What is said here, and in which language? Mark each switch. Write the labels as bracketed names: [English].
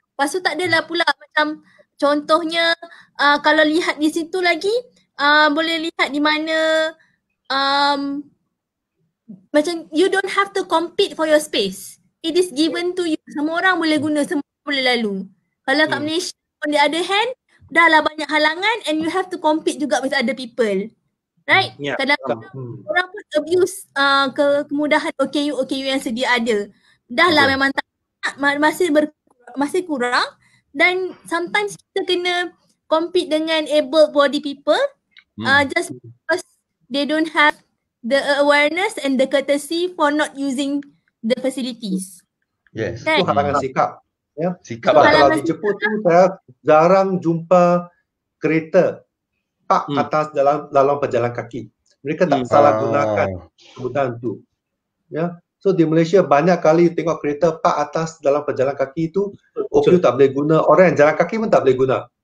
[Malay] Lepas tu tak adalah pula macam contohnya kalau lihat di situ lagi boleh lihat di mana macam [English] you don't have to compete for your space. It is given to you. [Malay] Semua orang boleh guna, semua orang boleh lalu. Kalau kat Malaysia [English] on the other hand [Malay] dah lah banyak halangan [English] and you have to compete [Malay] juga [English] with other people. Right? Yeah. [Malay] Kadang-kadang orang pun abuse kemudahan OKU yang sedia ada. Dah lah memang tak, masih kurang. Dan [English] sometimes [Malay] kita kena [English] compete [Malay] dengan [English] able body people just because they don't have the awareness and the courtesy for not using the facilities. [Malay] Yes. Kan? Itu halangan sikap. Ya. Sikap. Sebab kalau di Jepun tu saya jarang jumpa kereta park atas dalam laluan pejalan kaki. Mereka tak salah gunakan kebutuhan tu. Ya. So di Malaysia banyak kali tengok kereta park atas dalam pejalan kaki itu OKU tak boleh guna, orang yang jalan kaki pun tak boleh guna.